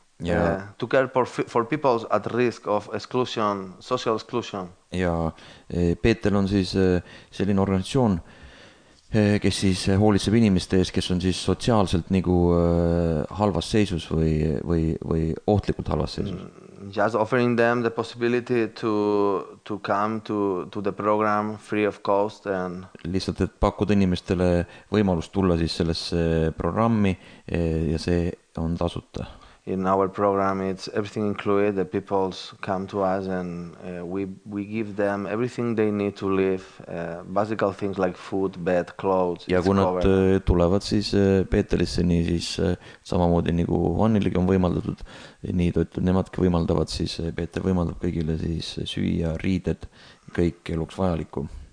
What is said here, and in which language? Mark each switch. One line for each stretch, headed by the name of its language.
English: to care for people at risk of exclusion, social exclusion.
Estonian: Ja Peeter on siis selline organisatsioon, kes siis hoolitseb inimeste ees, kes on siis sotsiaalselt nagu halvas seisus või ohtlikult halvas seisus.
English: Just offering them the possibility to come to the program free of cost and
Estonian: lihtsalt et pakkuda inimestele võimalust tulla siis sellesse programmi ja see on tasuta.
English: In our program it's everything included, the people come to us and we give them everything they need to live, basic things like food, bed, clothes.
Estonian: Ja kui nad tulevad siis Peeterisse, nii siis samamoodi nagu Vannilegi on võimaldatud, nii toitud nemadki võimaldavad, siis Peeter võimaldab kõigile siis süüa, riided, kõik eluks vajaliku.